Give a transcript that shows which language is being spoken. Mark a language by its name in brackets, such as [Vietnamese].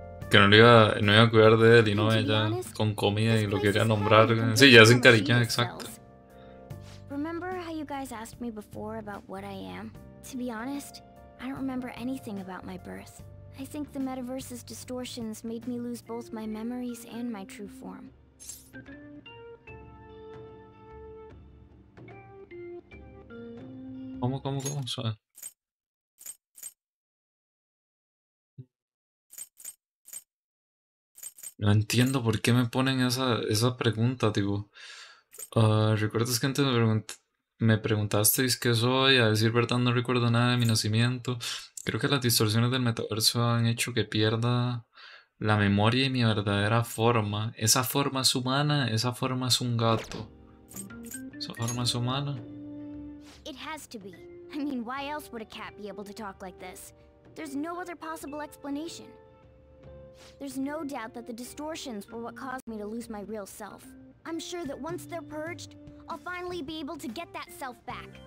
[Spanish] Que no iba a cuidar de él y no ella, con comida y lo quería nombrar. Sí, ya sin cariño, exacto. [English] Remember how you guys asked me before about what I am? To be honest, I don't remember anything about my birth. I think the metaverse's distortions made me lose both my memories and my true form. [Spanish] ¿Cómo? O sea... No entiendo por qué me ponen esa pregunta, tipo... ¿recuerdas que antes me preguntasteis qué soy? A decir verdad, no recuerdo nada de mi nacimiento. Creo que las distorsiones del metaverso han hecho que pierda la memoria y mi verdadera forma. Esa forma es humana, esa forma es un gato. Esa forma es humana. [English] It has to be. I mean, why else would a cat be able to talk like this? There's no other possible explanation. There's no doubt that the distortions were what caused me to lose my real self. I'm sure that once they're purged, I'll finally be able to get that self back.